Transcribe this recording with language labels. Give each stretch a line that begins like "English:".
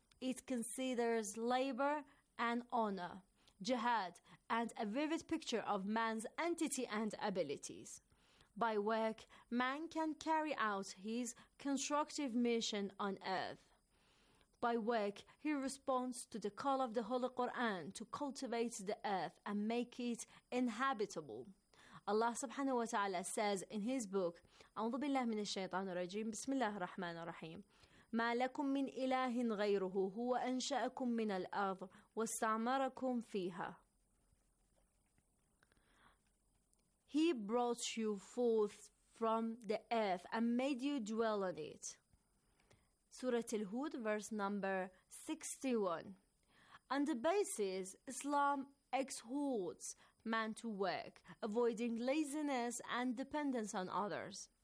English: It considers labor an honor, jihad, and a vivid picture of man's entity and abilities. By work, man can carry out his constructive mission on earth. By work, he responds to the call of the Holy Quran to cultivate the earth and make it inhabitable.
Arabic: Allah subhanahu wa ta'ala
English: says in his book,
Arabic: أعوذ بالله من الشيطان الرجيم بسم الله الرحمن الرحيم ما لكم من إله غيره هو أنشأكم من الأرض واستعمركم فيها.
English: He brought you forth from the earth and made you dwell on it. Surah Al-Hud, verse number 61. On the basis, Islam exhorts man to work, avoiding laziness and dependence on others.